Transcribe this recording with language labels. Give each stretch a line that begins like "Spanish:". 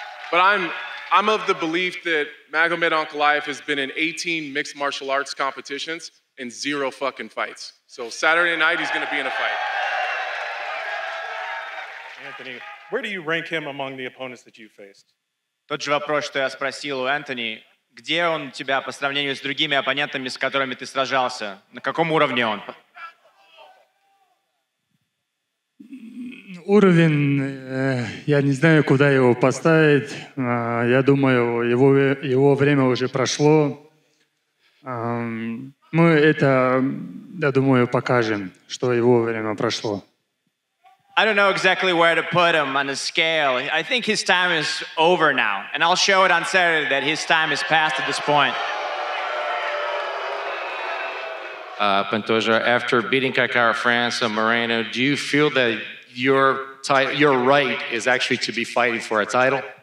English: But I'm of the belief that Magomed Ankalaev has been in 18 mixed martial arts competitions and zero fucking fights. So Saturday night, he's going to be in a fight. Anthony, where do you rank him among the opponents that you faced?
Russian: Тот же вопрос, что я спросил у Энтони, где он тебя по сравнению с другими оппонентами, с которыми ты сражался? На каком уровне он? Уровень, я не знаю, куда его поставить. Я думаю, его время уже прошло. Мы это, я думаю, покажем, что его время прошло.
English: I don't know exactly where to put him on the scale. I think his time is over now. And I'll show it on Saturday that his time is past at this point. Pantoja, after beating Kaikara France and Moreno, do you feel that your right is actually to be fighting for a title?